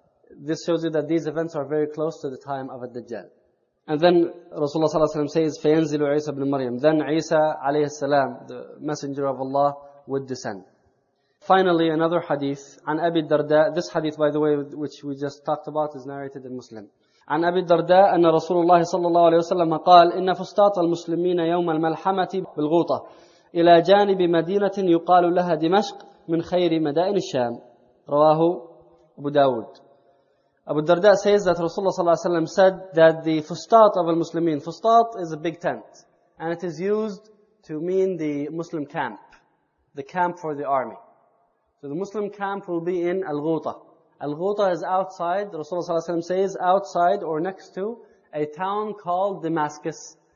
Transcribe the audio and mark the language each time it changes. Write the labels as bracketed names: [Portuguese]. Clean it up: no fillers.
[English] This shows you that these events are very close to the time of al-Dajjal. And then Rasulullah ﷺ says, [Arabic] فَيَنْزِلُ عِيسَى بْنِ مَرْيَمُ. [English] Then Isa [Arabic] عليه السلام, [English] the messenger of Allah, would descend. Finally, another hadith, [Arabic] عن أبي الدرداء. [English] This hadith, by the way, which we just talked about, is narrated in Muslim. [Arabic] عن أبي الدرداء أن رسول الله صلى الله عليه وسلم قال إن فسطاط المسلمين يوم الملحمة بالغوطة إلى جانب مدينة يقال لها دمشق من خير مدائن الشام. رواه أبو داود. [English] Abu Darda says that Rasulullah ﷺ said that the fustat of al-Muslimin, fustat is a big tent, and it is used to mean the Muslim camp, the camp for the army. So the Muslim camp will be in al-Ghuta. Al-Ghuta is outside, Rasulullah ﷺ says, outside or next to a town called Damascus.